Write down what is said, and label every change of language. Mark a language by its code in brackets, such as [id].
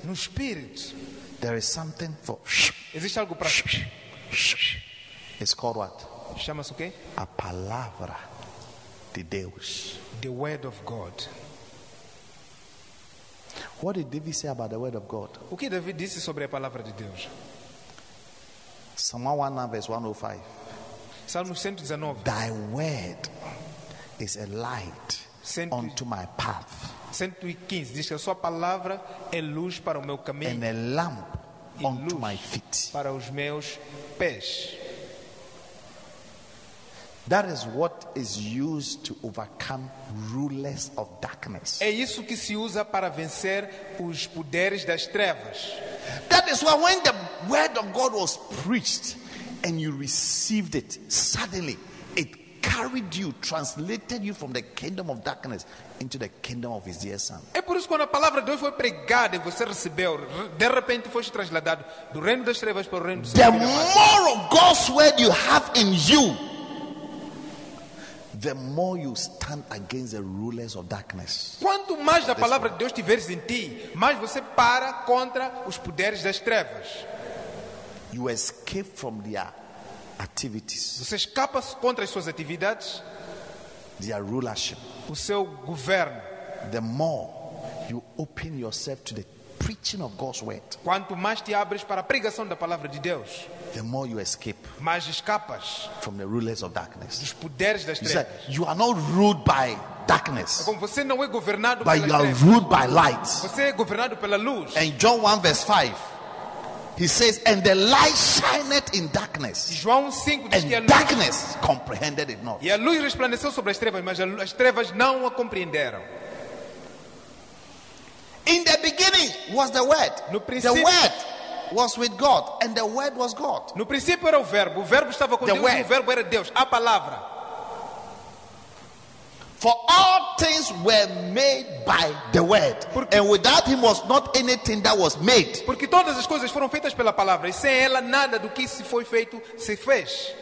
[pt] No espírito. [en] There is something for. [pt] Existe algo para. [en] It's called what? [pt] Chama-se o quê? A palavra de Deus. [en] The word of God. What did David say about the word of God? [pt] O que David disse sobre a palavra de Deus? [en] Psalm 119 verse 105. [pt] Salmo 119. [en] Thy word is a light unto my path. [pt] 115 diz que a sua palavra é luz para o meu caminho. [en] And a lamp unto my feet. [pt] Para os meus pés. [en] That is what is used to overcome rulers of darkness. [pt] É isso que se usa para vencer os poderes das trevas. [en] That is why when the word of God was preached and you received it, suddenly it carried you, translated you from the kingdom of darkness into the kingdom of his dear son. [pt] É por isso que quando a palavra de Deus foi pregada e você recebeu, de repente foi trasladado do reino das trevas para o reino do Senhor. [en] The more of God's word you have in you, the more you stand against the rulers of darkness. [pt] Quanto mais da palavra de Deus tiveres em ti, mais você para contra os poderes das trevas. [en] You escape from their activities. [pt] Você escapa contra as suas atividades. [en] Their rulership. [pt] O seu governo. [en] The more you open yourself to the preaching of God's word. [pt] Quanto mais te abres para a pregação da palavra de Deus, [en] the more you escape. [pt] Mais escapas [en] from the rulers of darkness. [pt] Dos poderes das trevas. [en] You are not ruled by darkness. [pt] Como você não é governado pelas trevas. [en] But you are ruled by light. [pt] Você é governado pela luz. [en] And John 1 verse 5. He says, "And the light shineth in darkness." [pt] João 5 diz que a luz, [en] darkness comprehended it not. [pt] E a luz resplandeceu sobre as trevas, mas as trevas não a compreenderam. [en] In the beginning was the word. [pt] No [en] princípio, the word was with God, and the word was God. [pt] No princípio era o verbo estava com Deus, e o verbo era Deus, a palavra. [en] For all things were made by the word. And without him was not anything that was made. [pt] Porque todas as coisas foram feitas pela palavra, e sem ela nada do que se foi feito se fez.